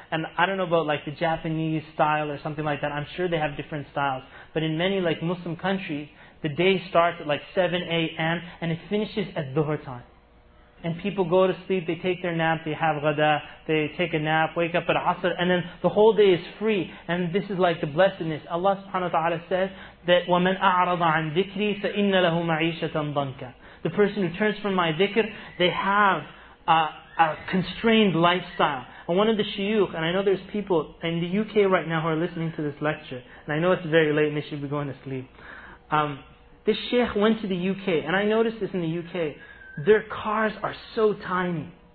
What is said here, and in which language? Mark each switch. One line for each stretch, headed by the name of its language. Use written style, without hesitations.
English: And I don't know about like the Japanese style or something like that. I'm sure they have different styles. But in many like Muslim countries, the day starts at like 7 a.m. and it finishes at dhuhr time. And people go to sleep, they take their nap, they have ghada, they take a nap, wake up at asr, and then the whole day is free. And this is like the blessedness. Allah subhanahu wa ta'ala says that,
Arabic: وَمَنْ أَعْرَضَ عَنْ ذِكْرِي فَإِنَّ لَهُ مَعِيشَةً ضَنْكَ.
English: The person who turns from my dhikr, they have a constrained lifestyle. And one of the shuyukh, and I know there's people in the UK right now who are listening to this lecture, and I know it's very late and they should be going to sleep. This sheikh went to the UK, and I noticed this in the UK, their cars are so tiny.